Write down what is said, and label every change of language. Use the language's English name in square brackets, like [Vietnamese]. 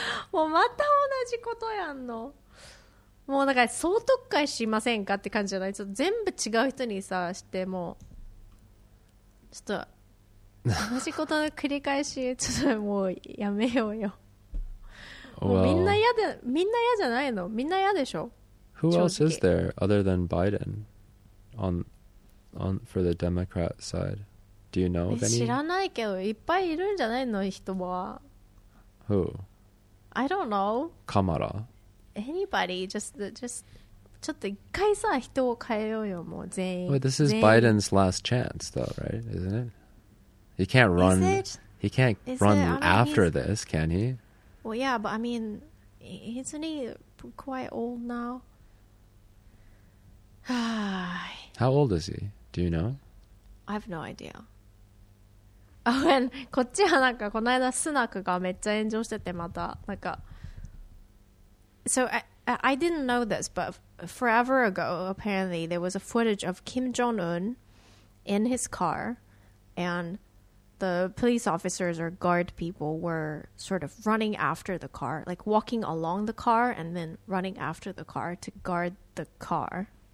[Japanese] もうまた同じことやんの。もうなんか総特会しませんかって感じじゃない。ちょっと全部違う人にさしてもうちょっと同じことの繰り返しちょっともうやめようよ。 [English] Well, [Japanese] もうみんな嫌じゃないの？みんな嫌でしょ？ [English] Who else is there other than Biden on for the Democrat side? Do you know of any? [Japanese] 知らないけどいっぱいいるんじゃないの人は。 [English] Who? I don't know. [Japanese] カマラ。 [English] Anybody, just, [Japanese] ちょっと一回さ、人を変えようよ、もう全員。 [English] Wait, this is Biden's last chance, though, right? Isn't it? He can't run. He can't run after this, can he? Well, yeah, but I mean, isn't he quite old now? How old is he? Do you know? I have no idea. [Japanese] Oh, and こっちはなんかこの間スナックがめっちゃ炎上しててまたなんか。 [English] So I didn't know this, but forever ago, apparently, there was a footage of Kim Jong-un in his car, and the police officers or guard people were sort of running after the car, like walking along the car and then running after the car to guard the car.